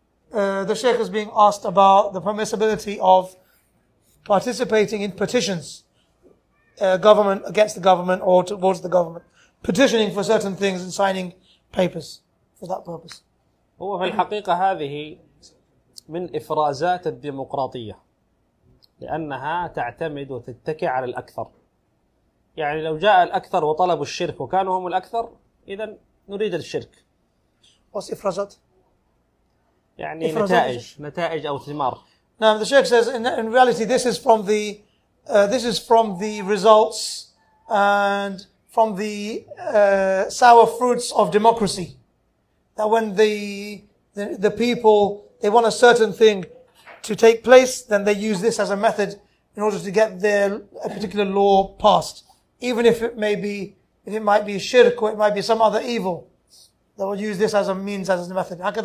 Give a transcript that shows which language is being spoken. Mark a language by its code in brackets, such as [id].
[en] The Sheikh is being asked about the permissibility of participating in petitions, government against the government or towards the government, petitioning for certain things and signing papers for that purpose. [ar] هو في الحقيقة هذه من إفرازات الديمقراطية، لأنها تعتمد وتتكئ على الأكثر. يعني لو جاء الأكثر وطلبوا الشرك وكانوا هم الأكثر، إذن نريد الشرك. [en] What's إفرازات؟ [ar] يعني نتائج أو ثمار. [en] Now the Sheikh says, in reality, this is from the results and from the sour fruits of democracy. That when the people they want a certain thing to take place, then they use this as a method in order to get their a particular law passed, even if it may be if it might be shirk or it might be some other evil, they will use this as a means, as a method.